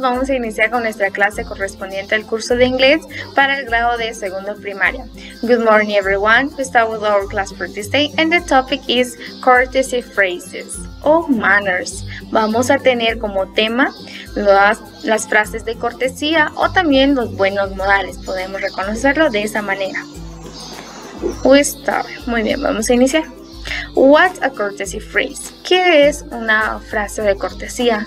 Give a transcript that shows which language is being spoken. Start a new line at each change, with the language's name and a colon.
Spanish: Vamos a iniciar con nuestra clase correspondiente al curso de inglés para el grado de segundo primario.
English: Good morning, everyone. We start with our class for this day, and the topic is courtesy phrases o manners.
Spanish: Vamos a tener como tema las frases de cortesía o también los buenos modales. Podemos reconocerlo de esa manera.
English: We start.
Spanish: Muy bien, vamos a iniciar.
English: What's a courtesy phrase?
Spanish: ¿Qué es una frase de cortesía?